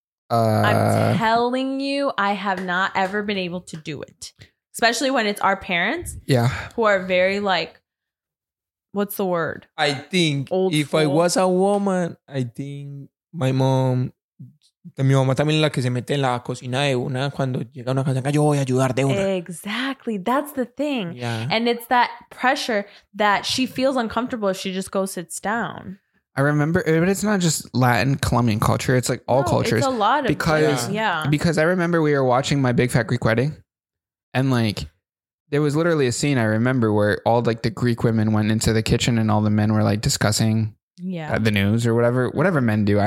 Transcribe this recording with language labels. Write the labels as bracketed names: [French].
[English] I'm telling you, I have not ever been able to do it. Especially when it's our parents. Yeah. Who are very like, what's the word? I think old if school. I was a woman, I think my mom... [Spanish] Mi mamá también la que se mete en la cocina de una cuando llega una casa, yo voy a ayudar de una. [English] Exactly. That's the thing. Yeah. And it's that pressure that she feels uncomfortable if she just goes sits down. I remember, but it's not just Latin Colombian culture. It's like all cultures. It's a lot of Because I remember we were watching My Big Fat Greek Wedding and like there was literally a scene I remember where all like the Greek women went into the kitchen and all the men were like discussing the news or whatever men do.